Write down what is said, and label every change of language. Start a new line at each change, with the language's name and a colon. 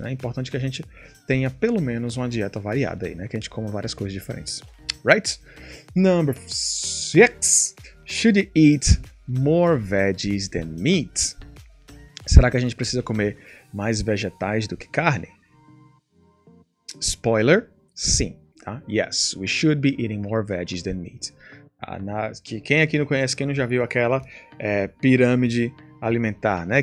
Portuguese: Né? É importante que a gente tenha pelo menos uma dieta variada aí, né? Que a gente coma várias coisas diferentes.
English: Right? Number six. Should you eat more veggies than meat?
Portuguese: Será que a gente precisa comer mais vegetais do que carne? Spoiler, sim. Tá?
English: Yes, we should be eating more veggies than meat.
Portuguese: Quem aqui não conhece, quem não já viu aquela pirâmide alimentar, né?